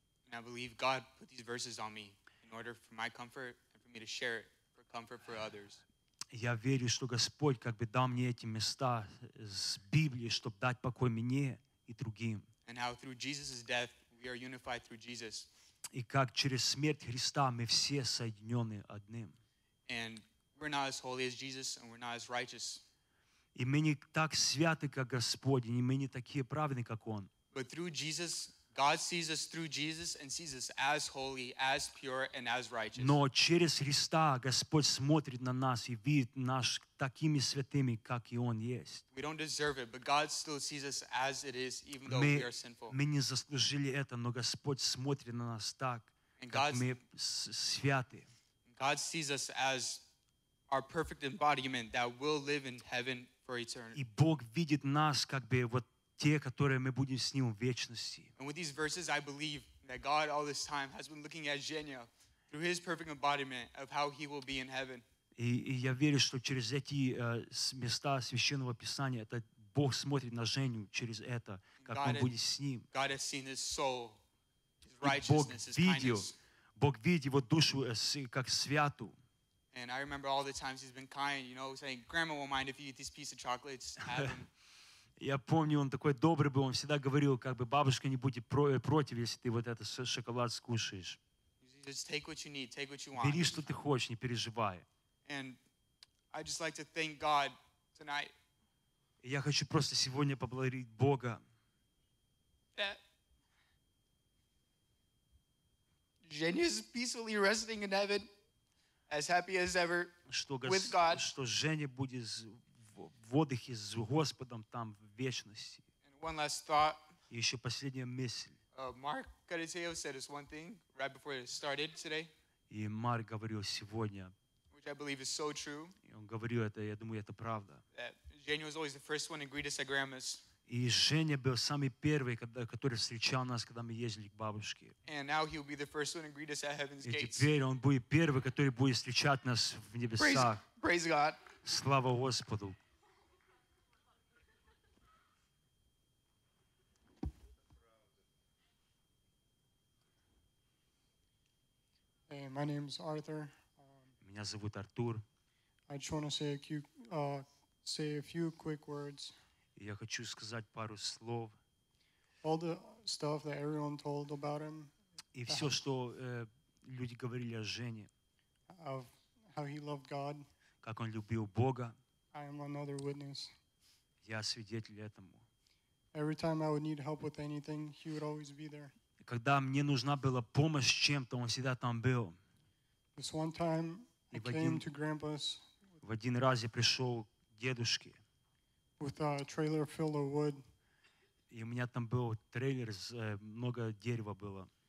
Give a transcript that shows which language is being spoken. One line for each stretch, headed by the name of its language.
English: And I believe God put these verses on me in order for my comfort and for me to share it for comfort for others.
Russian: Я верю, что Господь как бы дал мне эти места с Библии, чтобы дать покой мне и другим.
English: And how through Jesus' death we are unified through Jesus.
Russian: И как через смерть Христа мы все соединены одним.
English: And we're not as holy as Jesus, and we're not as righteous.
Russian: И мы не так святы, как Господь, и мы не такие праведные, как Он.
English: But through Jesus, God sees us through Jesus and sees us as holy, as pure, and as righteous.
Russian: Но через Христа Господь смотрит на нас и видит нас такими святыми, как и Он есть.
English: We don't deserve it, but God still sees us as it is, even though we are sinful.
Russian: Мы не заслужили это, но Господь смотрит на нас так, как мы святы.
English: God sees us as our perfect embodiment that will live in heaven for eternity.
Russian: И Бог видит нас как бы вот те, которые мы будем с Ним в вечности.
English: And with these verses, I believe that God all this time has been looking at Genia through His perfect embodiment of how He will be in heaven.
Russian: И я верю, что через эти места Священного Писания это Бог смотрит на Женю через это, как он будет с Ним.
English: God has seen His soul, His righteousness, His kindness.
Russian: Бог видит его душу как святу.
English: And I remember all the times He's been kind, you know, saying, "Grandma won't mind if you eat this piece of chocolate."
Russian: Я помню, он такой добрый был, он всегда говорил, как бы бабушка не будет против, если ты вот этот шоколад скушаешь.
English: Just take what you need, take what you want.
Russian: Бери, что ты хочешь, не переживай.
English: And I'd just like to thank God tonight.
Russian: Я хочу просто сегодня поблагодарить Бога.
English: Женя is peacefully resting in heaven, as happy as ever, with God.
Russian: Что Женя будет в отдыхе с Господом там в вечности.
English: And one last thought.
Russian: И еще последняя мысль.
English: Mark Cariteo said this one thing right before it started today.
Russian: И Марк говорил сегодня.
English: Which I believe is so true.
Russian: И он говорил это, я думаю, это правда.
English: Женя was always the first one to greet us at grandma's.
Russian: И Женя был самый первый, который встречал нас, когда мы ездили к бабушке.
English: And now he'll be the first one to greet us at heaven's gates.
Russian: И теперь он будет первый, который будет встречать нас в небесах.
English: Praise God.
Russian: Слава Господу.
English: Hey, my name is Arthur.
Russian: Меня зовут Артур.
English: I just want to say a few quick words.
Russian: Я хочу сказать пару слов.
English: All the stuff that everyone told about him.
Russian: И все, что люди говорили о Жене.
English: How he loved God.
Russian: Как он любил Бога.
English: I am another witness.
Russian: Я свидетель этому.
English: Every time I would need help with anything, he would always be there.
Russian: Когда мне нужна была помощь с чем-то, он всегда там был.
English: This one time I came to grandpa's.
Russian: В один раз я пришел к дедушке.
English: With a trailer filled with wood.
Russian: И у меня там был трейлер, много дерева было.